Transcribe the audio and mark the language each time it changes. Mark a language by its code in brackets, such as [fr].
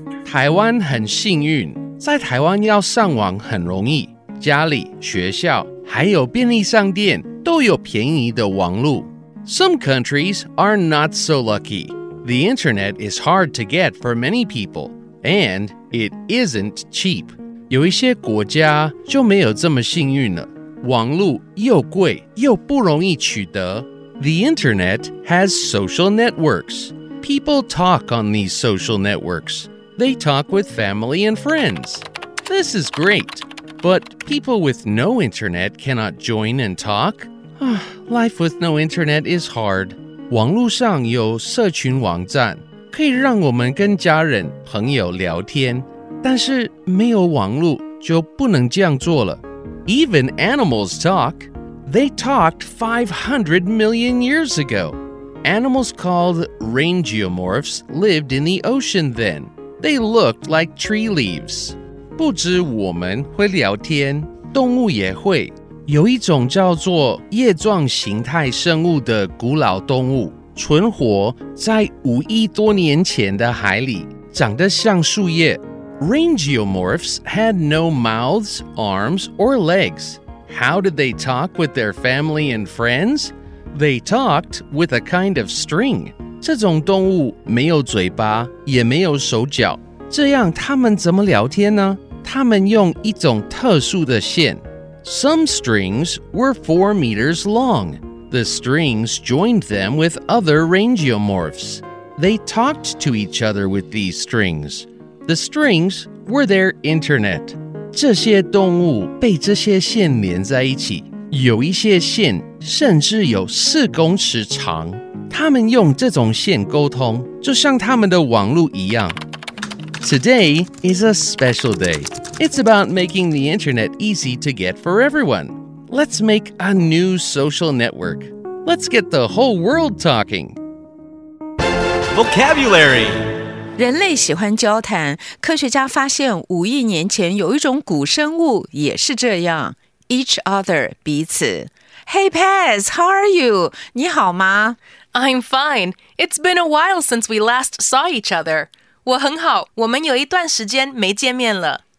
[zh] 台灣很幸運，在台灣要上網很容易，家裡、學校、還有便利商店都有便宜的網路。 [en] Some countries are not so lucky. The internet is hard to get for many people, and it isn't cheap. [zh] 有一些國家就沒有這麼幸運了，網路又貴又不容易取得。 [en] The internet has social networks. People talk on these social networks. They talk with family and friends. This is great. But people with no internet cannot join and talk. Life with no internet is hard. [zh] 网路上有社群网站，可以让我们跟家人朋友聊天。但是没有网路就不能这样做了。 [en] Even animals talk. They talked 500 million years ago. Animals called Rangeomorphs lived in the ocean then. They looked like tree leaves. [zh] 不只我们会聊天，动物也会。有一种叫做叶状形态生物的古老动物，存活在五亿多年前的海里，长得像树叶。 [en] Rangeomorphs had no mouths, arms, or legs. How did they talk with their family and friends? They talked with a kind of string. [zh] 这种动物没有嘴巴，也没有手脚，这样它们怎么聊天呢？它们用一种特殊的线。 [en] Some strings were 4 meters long. The strings joined them with other rangeomorphs. They talked to each other with these strings. The strings were their internet. [zh] 这些动物被这些线连在一起，有一些线甚至有四公尺长。他们用这种线沟通，就像他们的网路一样。 [en] Today is a special day. It's about making the internet easy to get for everyone. Let's make a new social network. Let's get the whole world talking. Vocabulary. [zh] 人类喜欢交谈，科学家发现五亿年前有一种古生物也是这样。 [en] Each other, [zh] 彼此。 [en] Hey Paz, how are you? [zh] 你好吗？ [en] I'm fine. It's been a while since we last saw each other. [zh] 我很好，我们有一段时间没见面了。